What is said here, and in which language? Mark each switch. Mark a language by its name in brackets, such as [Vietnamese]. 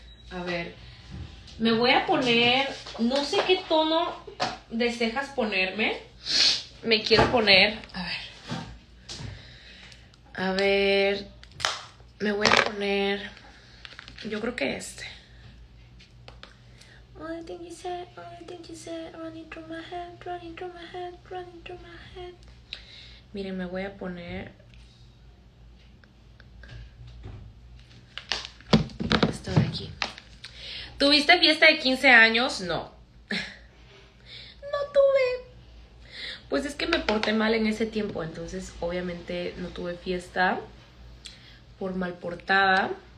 [Spanish] A ver, me voy a poner, no sé qué tono de cejas ponerme. Me quiero poner, a ver, me voy a poner, yo creo que este. [English] All the things you said, all the things you said, running through my head, running through my head, running through my head. [Spanish] Miren, me voy a poner esto de aquí. ¿Tuviste fiesta de 15 años? No. No tuve. Pues es que me porté mal en ese tiempo, entonces obviamente no tuve fiesta por mal portada.